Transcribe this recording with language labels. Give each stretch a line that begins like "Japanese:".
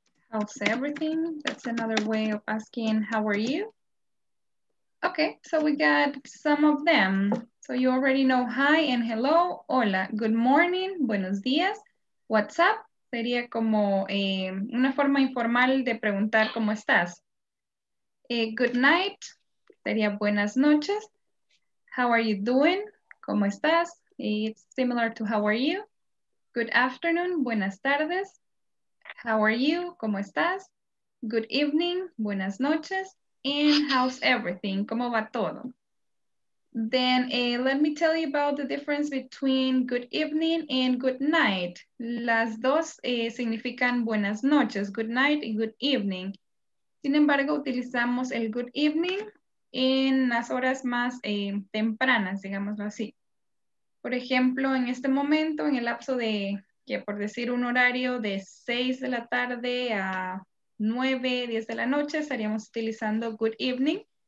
English: How's everything? That's another way of asking, how are you? Okay, so we got some of them. So you already know hi and hello,
Spanish: hola,
English: good morning,
Spanish: buenos días,
English: what's up?
Spanish: Sería como una forma informal de preguntar cómo estás.
English: Good night,
Spanish: sería buenas noches.
English: How are you doing?
Spanish: ¿Cómo estás?
English: It's similar to how are you. Good afternoon,
Spanish: buenas tardes.
English: How are you?
Spanish: ¿Cómo estás?
English: Good evening,
Spanish: buenas noches.
English: And how's everything?
Spanish: ¿Cómo va todo?
English: Then let me tell you about the difference between good evening and good night.
Spanish: Las dos significan buenas noches, good night y good evening. Sin embargo, utilizamos el good evening en las horas más tempranas, digámoslo así. Por ejemplo, en este momento, en el lapso de, que por decir un horario de 6 de la tarde a 9, 10 de la noche, estaríamos utilizando good evening.